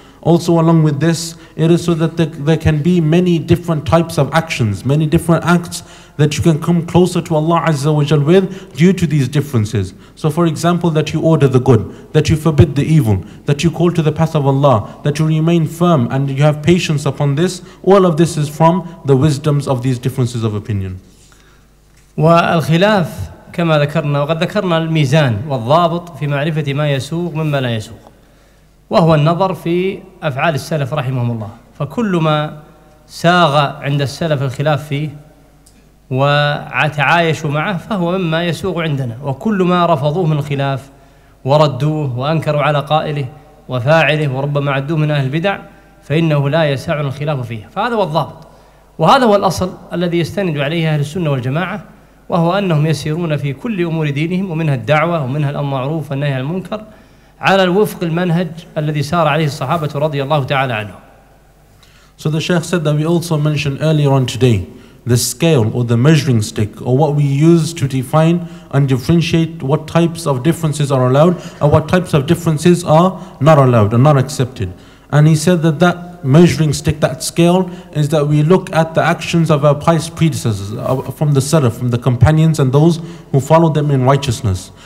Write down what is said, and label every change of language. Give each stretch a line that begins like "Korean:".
English: Also along with this, it is so that there can be many different types of actions, many different acts that you can come closer to Allah Azza wa Jal with due to these differences. So for example, that you order the good, that you forbid the evil, that you call to the path of Allah, that you remain firm and you have patience upon this, all of this is from the wisdoms of these differences of opinion.
Arabic: والخلاف كما ذكرنا وقد ذكرنا الميزان والضابط في معرفة ما يسوق مما لا يسوق وهو النظر في أفعال السلف رحمهم الله فكل ما ساغ عند السلف الخلاف فيه وتعايشوا معه فهو مما يسوغ عندنا وكل ما رفضوه من الخلاف وردوه وأنكروا على قائله وفاعله وربما عدوه من أهل البدع فإنه لا يسع الخلاف فيه فهذا هو الضابط وهذا هو الأصل الذي يستند عليه أهل السنة والجماعة وهو أنهم يسيرون في كل أمور دينهم ومنها الدعوة ومنها الأمر المعروف والنهي عن المنكر على الوفق المنهج الذي سار عليه الصحابة رضي الله تعالى عنه.
English: So the Sheikh said that we also mentioned earlier on today the scale or the measuring stick or what we use to define and differentiate what types of differences are allowed and what types of differences are not allowed and not accepted. And he said that measuring stick, that scale, is that we look at the actions of our pious predecessors, from the Salaf, from the companions and those who followed them in righteousness.